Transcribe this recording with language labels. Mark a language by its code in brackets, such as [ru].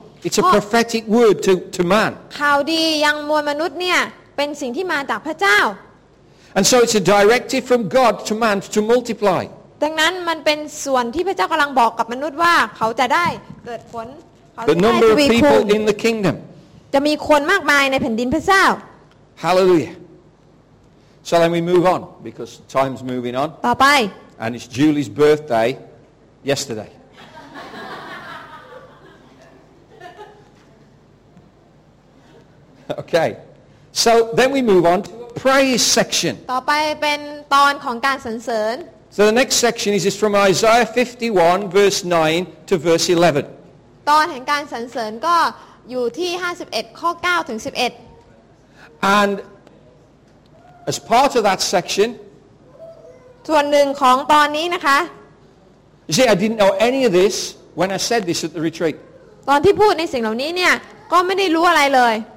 [en] It's a prophetic word to man. [th] ข่าวดียังมวลมนุษย์เนี่ยเป็นสิ่งที่มาจากพระเจ้า [en] And so it's a directive from God to man to multiply. [th] ดังนั้นมันเป็นส่วนที่พระเจ้ากำลังบอกกับมนุษย์ว่าเขาจะได้เกิดผล [en] The number of people in the kingdom. [th] จะมีคนมากมายในแผ่นดินพระเจ้า [en] Hallelujah. So then we move on because time's moving on. [th] ต่อไป [en] And it's Julie's birthday yesterday. Okay. So then we move on to a praise section. [th] ต่อไปเป็นตอนของการสรรเสริญ [en] So the next section is from Isaiah 51 verse 9 to verse 11. [th] ตอนแห่งการสรรเสริญก็อยู่ที่51ข้อ9ถึง11 [en] AndAs part of that section, [th] ส่วนหนึ่งของตอนนี้นะคะ [en] You see, I didn't know any of this when I said this at the retreat. [th] ตอนที่พูดในสิ่งเหล่านี้เนี่ยก็ไม่ได้รู้อะไรเลย